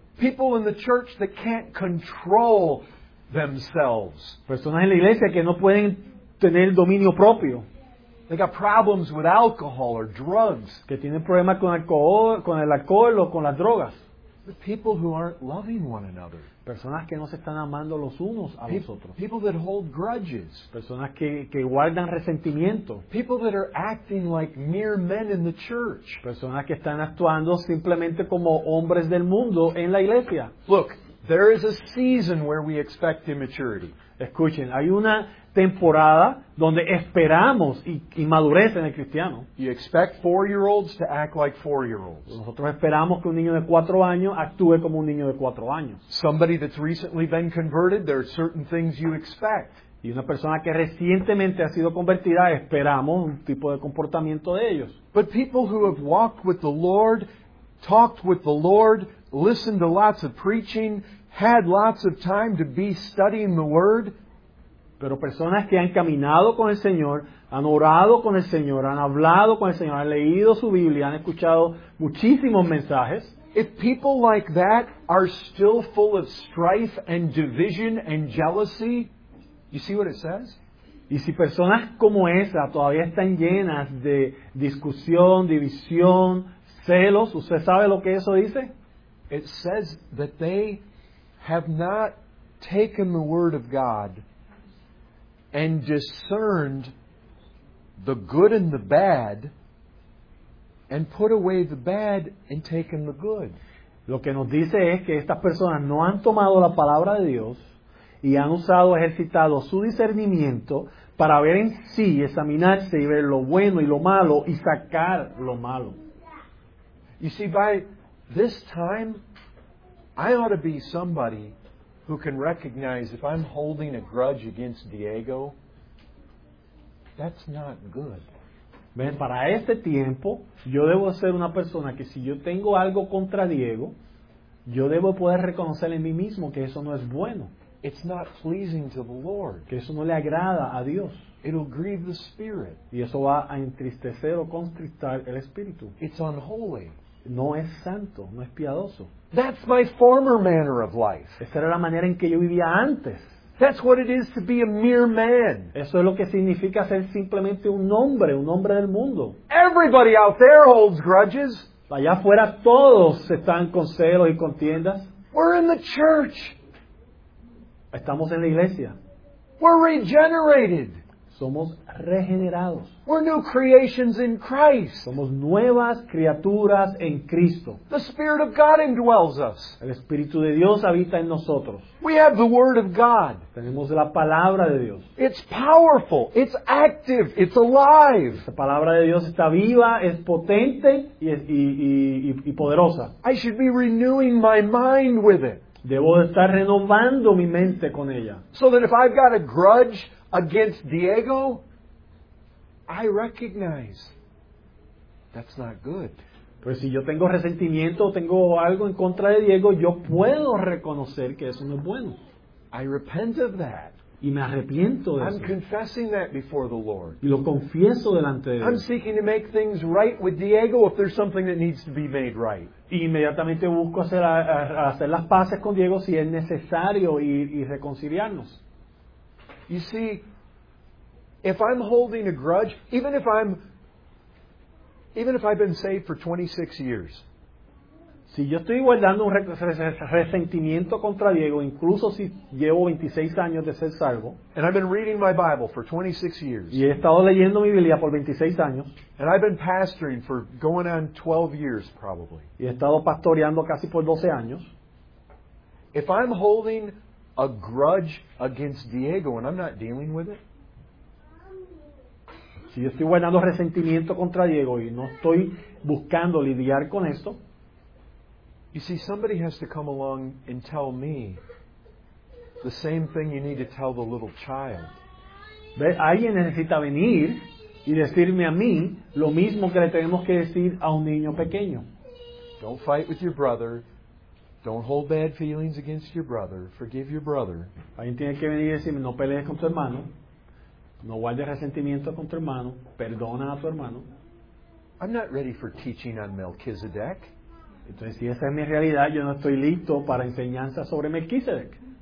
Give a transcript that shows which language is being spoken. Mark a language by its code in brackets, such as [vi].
[en] People in the church that can't control themselves. [es] Personas en la iglesia que no pueden tener dominio propio. [en] They got problems with alcohol or drugs. [es] Que tienen problemas con el alcohol o con las drogas. [en] The people who aren't loving one another. [es] Personas que no se están amando los unos a los otros. [en] People that hold grudges. [es] Personas que guardan resentimiento. [en] People that are acting like mere men in the church. [es] Personas que están actuando simplemente como hombres del mundo en la iglesia. [en] Look, there is a season where we expect immaturity. [es] Escuchen, hay una temporada donde esperamos y madurez en el cristiano. [en] You expect 4-year-olds to act like 4-year-olds. [es] Nosotros esperamos que un niño de 4 años actúe como un niño de 4 años. [en] Somebody that's recently been converted, there are certain things you expect. [es] Y una persona que recientemente ha sido convertida, esperamos un tipo de comportamiento de ellos. [en] But people who have walked with the Lord, talked with the Lord, listened to lots of preaching, had lots of time to be studying the word. [es] Pero personas que han caminado con el Señor, han orado con el Señor, han hablado con el Señor, han leído su Biblia, han escuchado muchísimos mensajes. [en] If people like that are still full of strife and division and jealousy, you see what it says? [es] Y si personas como esa todavía están llenas de discusión, división, celos, ¿usted sabe lo que eso dice? [en] It says that they have not taken the word of God and discerned the good and the bad and put away the bad and taken the good. [es] Lo que nos dice es que estas personas no han tomado la palabra de Dios y han usado, ejercitado su discernimiento para ver en sí, examinarse y ver lo bueno y lo malo y sacar lo malo. [en] You see, by this time, I ought to be somebody who can recognize if I'm holding a grudge against Diego, that's not good. [es] ¿Ves? Para este tiempo, yo debo ser una persona que si yo tengo algo contra Diego, yo debo poder reconocer en mí mismo que eso no es bueno. [en] It's not pleasing to the Lord. [es] Que eso no le agrada a Dios. [en] It'll grieve the spirit. [es] Y eso va a entristecer o constrictar el espíritu. [en] It's unholy. [es] No es santo, no es piadoso. [en] That's my former manner of life. [es] Esa era la manera en que yo vivía antes. [en] That's what it is to be a mere man. [es] Eso es lo que significa ser simplemente un hombre del mundo. [en] Everybody out there holds grudges. [es] Allá afuera todos están con celos y contiendas. [en] We're in the church. [es] Estamos en la iglesia. [en] We're regenerated. [es] Somos regenerados. [en] We're new creations in Christ. [es] Somos nuevas criaturas en Cristo. [en] The Spirit of God indwells us. [es] El Espíritu de Dios habita en nosotros. [en] We have the Word of God. [es] Tenemos la Palabra de Dios. [en] It's powerful. It's active. It's alive. [es] La Palabra de Dios está viva, es potente y poderosa. [en] I should be renewing my mind with it. [es] Debo estar renovando mi mente con ella. [en] So that if I've got a grudge against Diego, I recognize that's not good. [es] Pues si yo tengo resentimiento o tengo algo en contra de Diego, yo puedo reconocer que eso no es bueno. [en] I repent of that. [es] Y me arrepiento de [en] I'm [es] eso. [en] I'm confessing that before the Lord. [es] Y lo confieso delante de Dios. [en] I'm seeking to make things right with Diego if there's something that needs to be made right. [es] Y inmediatamente busco hacer las paces con Diego si es necesario y reconciliarnos. [en] You see, if I'm holding a grudge, even if I've been saved for 26 years. [es] Si yo estoy guardando un resentimiento contra Diego, incluso si llevo 26 años de ser salvo. [en] And I've been reading my Bible for 26 years. [es] Y he estado leyendo mi Biblia por 26 años. [en] And I've been pastoring for going on 12 years probably. [es] Y he estado pastoreando casi por 12 años. [en] If I'm holding a grudge against Diego and I'm not dealing with it. [es] Si yo estoy guardando resentimiento contra Diego y no estoy buscando lidiar con esto. [en] You see, somebody has to come along and tell me the same thing you need to tell the little child. [es] ¿Ve? Alguien necesita venir y decirme a mí lo mismo que le tenemos que decir a un niño pequeño. [en] Don't fight with your brother. Don't hold bad feelings against your brother. Forgive your brother. [es] Alguien tiene que venir y decirme, no pelees con tu hermano. No guardes resentimiento con tu hermano. Perdona a tu hermano. [en] I'm not ready for teaching on Melchizedek. [es] Entonces, si esa es mi realidad, yo no estoy listo para enseñanza sobre Melchizedek.